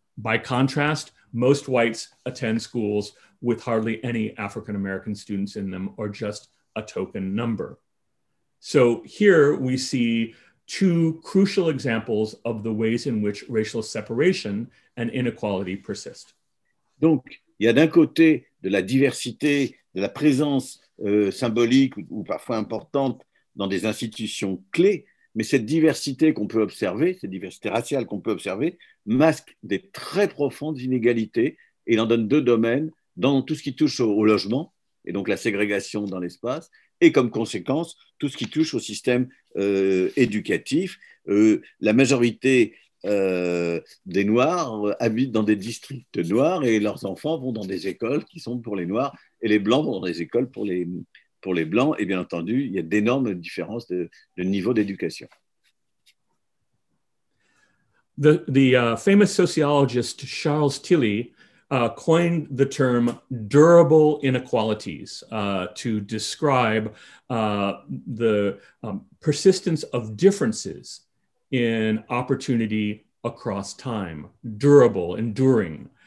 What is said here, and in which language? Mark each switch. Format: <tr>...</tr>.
<en>By contrast, most whites attend schools with hardly any African American students in them, or just a token number. So here we see two crucial examples of the ways in which racial separation and inequality persist.</en> <fr>Donc, il y a d'un côté de la diversité, de la présence symbolique ou parfois importante dans des institutions clés, mais cette diversité qu'on peut observer, cette diversité raciale qu'on peut observer, masque des très profondes inégalités et en donne deux domaines, dans tout ce qui touche au logement et donc la ségrégation dans l'espace, et comme conséquence, tout ce qui touche au système éducatif. La majorité des Noirs habitent dans des districts noirs et leurs enfants vont dans des écoles qui sont pour les Noirs, et les Blancs vont dans des écoles pour les Blancs. Et bien entendu, il y a d'énormes différences de niveau d'éducation.</fr> <en>The famous sociologist Charles Tilly coined the term durable inequalities to describe the persistence of differences in opportunity across time, durable, enduring.</en>